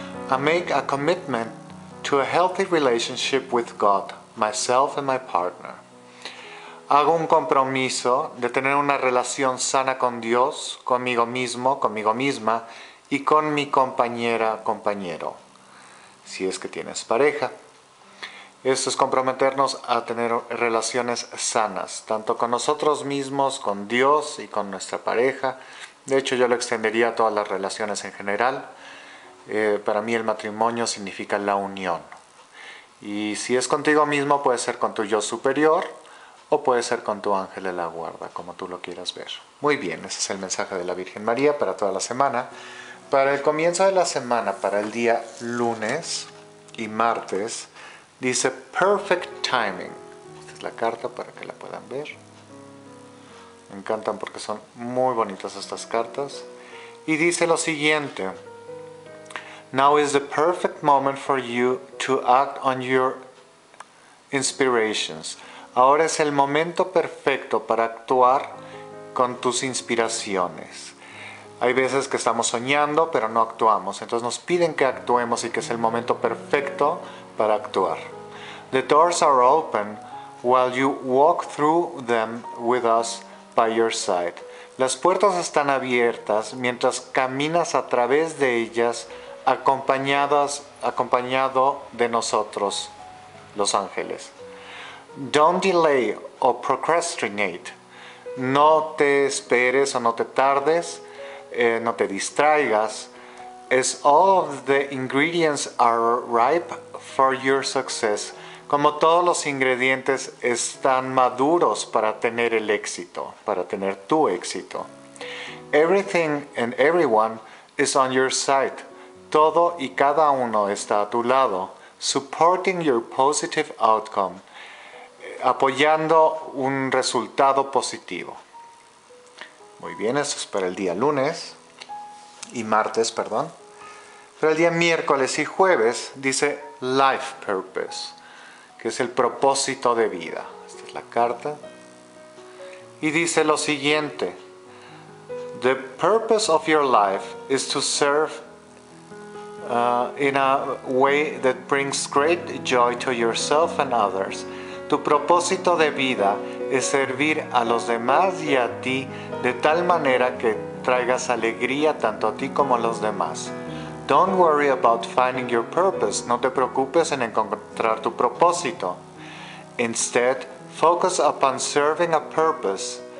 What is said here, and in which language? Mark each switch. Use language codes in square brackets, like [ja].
[en] I make a commitment to a healthy relationship with God, myself and my partner. [es] Hago un compromiso de tener una relación sana con Dios, conmigo mismo, conmigo misma y con mi compañera, compañero, si es que tienes pareja. Esto es comprometernos a tener relaciones sanas, tanto con nosotros mismos, con Dios y con nuestra pareja. De hecho, yo lo extendería a todas las relaciones en general. Para mí el matrimonio significa la unión. Y si es contigo mismo, puede ser con tu yo superior, o puede ser con tu ángel de la guarda, como tú lo quieras ver. Muy bien, ese es el mensaje de la Virgen María para toda la semana. Para el comienzo de la semana, para el día lunes y martes, dice [en] perfect timing. [es] Esta es la carta para que la puedan ver. Me encantan porque son muy bonitas estas cartas. Y dice lo siguiente. [en] Now is the perfect moment for you to act on your inspirations. [es] Ahora es el momento perfecto para actuar con tus inspiraciones. Hay veces que estamos soñando, pero no actuamos. Entonces nos piden que actuemos y que es el momento perfecto para actuar. [en] The doors are open while you walk through them with us by your side. [es] Las puertas están abiertas mientras caminas a través de ellas acompañado de nosotros, los ángeles. [en] Don't delay or procrastinate. [es] No te esperes o no te tardes, no te distraigas. [en] is all of the ingredients are ripe for your success. [es] Como todos los ingredientes están maduros para tener el éxito, para tener tu éxito. [en] Everything and everyone is on your side. [es] Todo y cada uno está a tu lado, [en] supporting your positive outcome, [es] apoyando un resultado positivo. Muy bien, eso es para el día lunes y martes, perdón. Para el día miércoles y jueves dice [en] life purpose, [es] que es el propósito de vida. Esta es la carta. Y dice lo siguiente: [en] the purpose of your life is to serve in a way that brings great joy to yourself and others. [es] Tu propósito de vida es servir a los demás y a ti de tal manera que traigas alegría tanto a ti como a los demás. [en] Don't worry about finding your purpose. [es] No te preocupes en encontrar tu propósito. [en] Instead, focus upon serving a purpose.